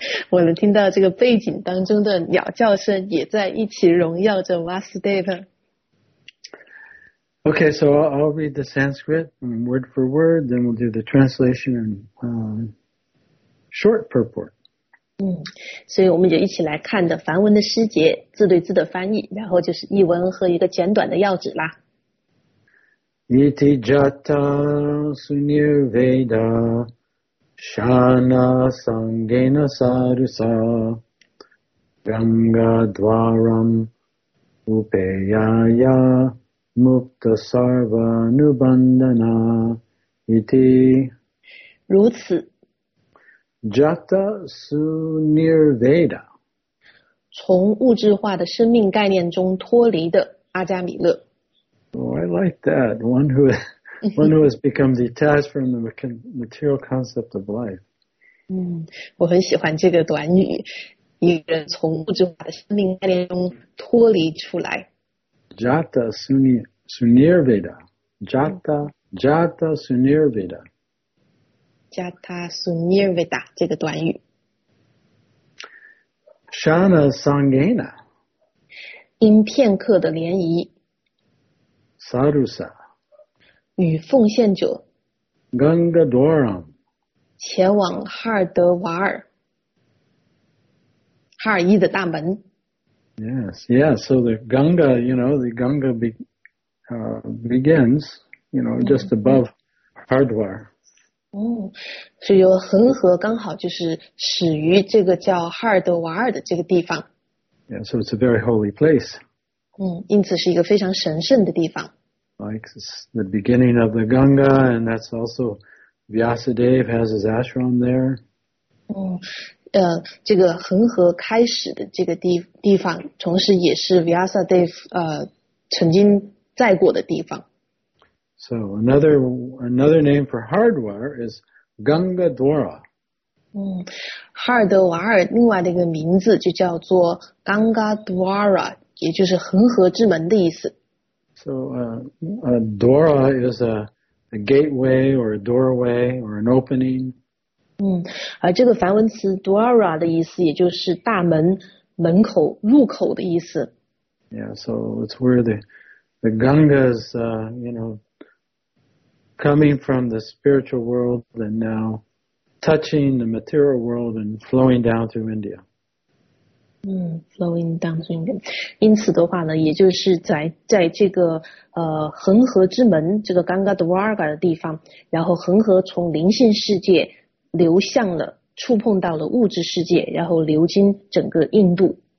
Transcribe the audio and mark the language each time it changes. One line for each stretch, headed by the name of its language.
Chinese: 我能听到这个背景当中的鸟叫声也在一起荣耀着 Vasudev.
English: Okay, so I'll read the Sanskrit word for word, then we'll do the translation and short purport.
Chinese: 所以我们就一起来看的梵文的诗节，字对字的翻译，然后就是译文和一个简短的要旨啦。
Sanskrit: Iti jata sunirveda shana sangena sarusa ganga dwaram upeyaya mukta sarva nubandana iti
Chinese: 如此。
Sanskrit: Jata Sunirveda
Chinese: 从物质化的生命概念中脱离的阿加米勒。
English: Oh, I like that. One who has become detached from the material concept of life.
Chinese: 我很喜欢这个短语，一个人从物质化的生命概念中脱离出来。
Sanskrit: Jata Sunirveda. Jata Sunirveda.
Chinese: Jata Sunirveda 这个短语。
Sanskrit: Shana Sangena
Chinese: 因片刻的涟漪。
Sanskrit: Sarusa
Chinese: 与奉献者。
Sanskrit: Ganga Dwaram
Chinese: 前往哈尔德瓦尔，哈尔伊的大门。
English: Yes, so the Ganga, you know, the Ganga begins, you know, just above Hardwar.
Chinese: 所以恒河刚好就是始于这个叫哈尔德瓦尔的这个地方。
English: Yeah, so it's a very holy place.
Chinese: 因此是一个非常神圣的地方。
English: Like it's the beginning of the Ganga, and that's also Vyasadeva has his ashram there.
Chinese: 这个恒河开始的这个地方，同时也是 Vyasadeva 曾经在过的地方。
English: So another name for Hardwar is Ganga Dwara.
Chinese: Hardwar 另外的一个名字就叫做 Ganga Dwara, 也就是恒河之门的意思。
English: So a Dwara is a gateway or a doorway or an opening.
Chinese: 这个梵文词 Dwara 的意思也就是大门、门口、入口的意思。
English: Yeah, so it's where the Ganga is, you know,coming from the spiritual world and now touching the material world and flowing down through India. Flowing down through India.
Chinese: 因此的话呢，也就是在这个恒河之门，这个 Ganga Dwarka 的地方，然后恒河从灵性世界流向了，触碰到了物质世界，然后流经整个印度。